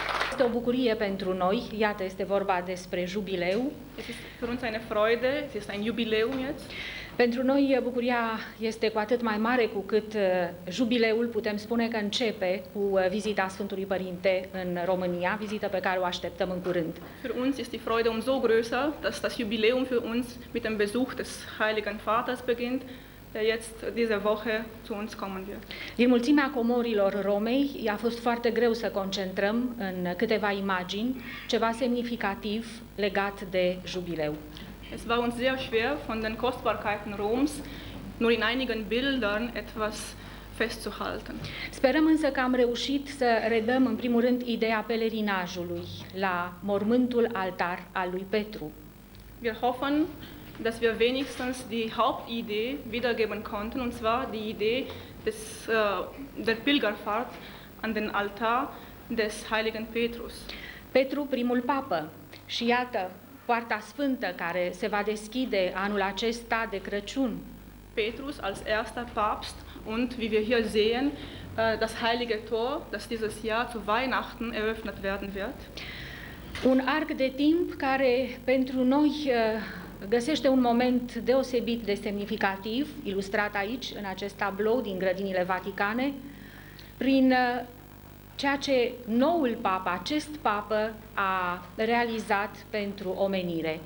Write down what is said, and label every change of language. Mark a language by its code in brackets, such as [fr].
[ro] Este o bucurie pentru noi. Iată, este vorba despre jubileu. Frunța ne freude, este un jubileu, mi-ați? Pentru noi bucuria este cu atât mai mare cu cât jubileul, putem spune că începe cu vizita Sfântului Părinte în România, vizită pe care o așteptăm în curând. [de] Für uns ist die Freude umso größer, dass das Jubiläum für uns mit dem Besuch des Heiligen Vaters beginnt, der jetzt diese Woche zu uns kommen wird. [ro] Din mulțimea comorilor Romei, i-a fost foarte greu să concentrăm în câteva imagini ceva semnificativ legat de jubileu. [de] Es war uns sehr schwer, von den Kostbarkeiten Roms nur in einigen Bildern etwas festzuhalten. [ro] Sperăm însă că am reușit să redăm în primul rând ideea pelerinajului la mormântul altar al lui Petru. [de] Wir hoffen, dass wir wenigstens die Hauptidee wiedergeben konnten, und zwar die Idee der Pilgerfahrt an den Altar des heiligen Petrus. [ro] Petru, primul papă, și iată, Poarta Sfântă care se va deschide anul acesta de Crăciun. [de] Petrus als erster Papst und wie wir hier sehen, das heilige Tor, das dieses Jahr zu Weihnachten eröffnet werden wird. [ro] Un arc de timp care pentru noi găsește un moment deosebit de semnificativ, ilustrat aici în acest tablou din grădinile Vaticane, prin ceea ce noul papa, acest papă, a realizat pentru omenire.